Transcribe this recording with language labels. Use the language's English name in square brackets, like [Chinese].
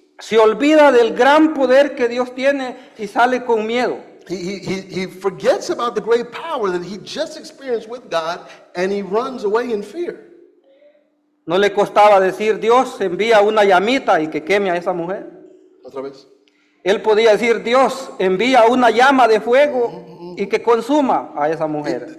[Spanish] Se olvida del gran poder que Dios tiene y sale con miedo. [English] He forgets about the great power that he just experienced with God and he runs away in fear. [Spanish] No le costaba decir, Dios, envía una llamita y que queme a esa mujer. Otra vez. Él podía decir, Dios, envía una llama de fuego y que consuma a esa mujer.